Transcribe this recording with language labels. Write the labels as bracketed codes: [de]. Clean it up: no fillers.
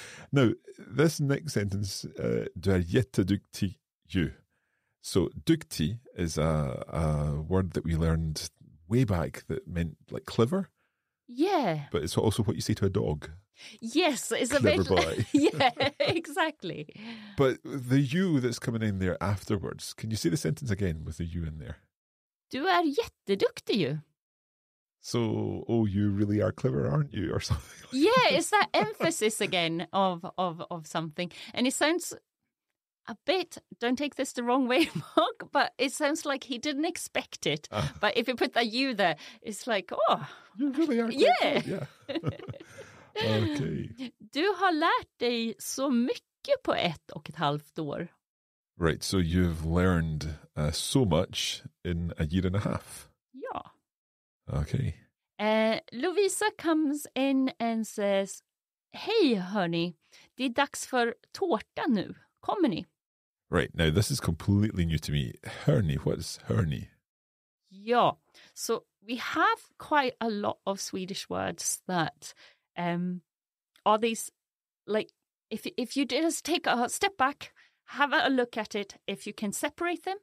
[en] Now, this next sentence, [sv] du är jätteduktig ju. [en] So, dukti is a word that we learned way back that meant like clever. Yeah. But it's also what you say to a dog. Yes, it's clever a bit. Boy. Yeah, exactly. But the you that's coming in there afterwards, can you say the sentence again with the you in there? [sv] Du är jätteduktig ju. [en] So, oh, you really are clever, aren't you, or something? Like yeah, it's that emphasis again of something, and it sounds A bit, don't take this the wrong way, Mark, but it sounds like he didn't expect it. But if you put that U there, it's like, oh. You really are. Yeah. Yeah. Okay. [sv] Du har lärt dig så mycket på ett och ett halvt år. [en] Right, so you've learned so much in a year and a half. [sv] Ja. [en] Okay. Lovisa comes in and says, hey, honey, [sv] det är dags för tårta nu. Kommer ni? [en] Right, now this is completely new to me. Hörni, what's hörni? Ja, so we have quite a lot of Swedish words that are these, like, if you just take a step back, have a look at it, if you can separate them.